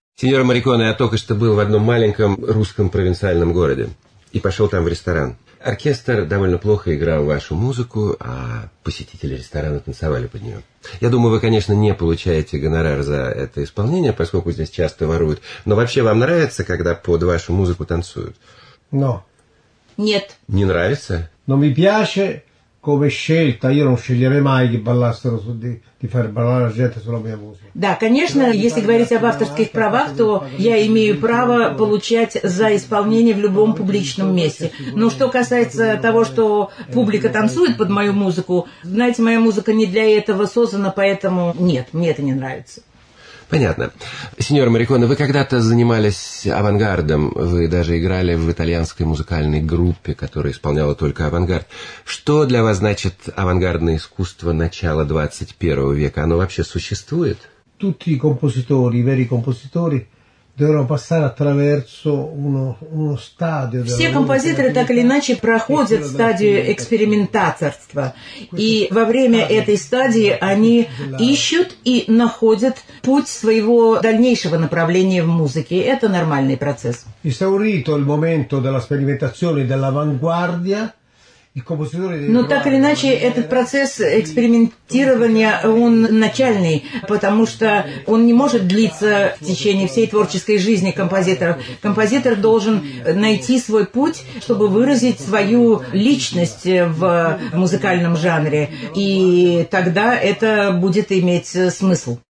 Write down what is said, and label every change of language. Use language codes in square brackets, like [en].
[ru] Сеньор Морриконе, я только что был в одном маленьком русском провинциальном городе и пошел там в ресторан. Оркестр довольно плохо играл вашу музыку, а посетители ресторана танцевали под нее. Я думаю, вы, конечно, не получаете гонорар за это исполнение, поскольку здесь часто воруют. Но вообще вам нравится, когда под вашу музыку танцуют? [it] Но. [ru] Нет. Не нравится? Но мне [it] piace come scelta. Io non sceglierei mai di ballassero su di di far ballare gente sulla mia musica. [ru] Да, конечно, если говорить об авторских правах, то я имею право получать за исполнение в любом публичном месте. Но что касается того, что публика танцует под мою музыку, знаете, моя музыка не для этого создана, поэтому нет, мне это не нравится. Понятно. Сеньор Морриконе, вы когда-то занимались авангардом, вы даже играли в итальянской музыкальной группе, которая исполняла только авангард. Что для вас значит авангардное искусство начала 21 века? Оно вообще существует? [it] Tutti i compositori, i veri compositori, devono passare attraverso uno stadio. [ru] Все композиторы так или иначе проходят стадию экспериментаторства, и во время этой стадии они ищут и находят путь своего дальнейшего направления в музыке. Это нормальный процесс. [it] Esaurito il momento della sperimentazione dell'avanguardia. [ru] Но так или иначе, этот процесс экспериментирования, он начальный, потому что он не может длиться в течение всей творческой жизни композиторов. Композитор должен найти свой путь, чтобы выразить свою личность в музыкальном жанре, и тогда это будет иметь смысл.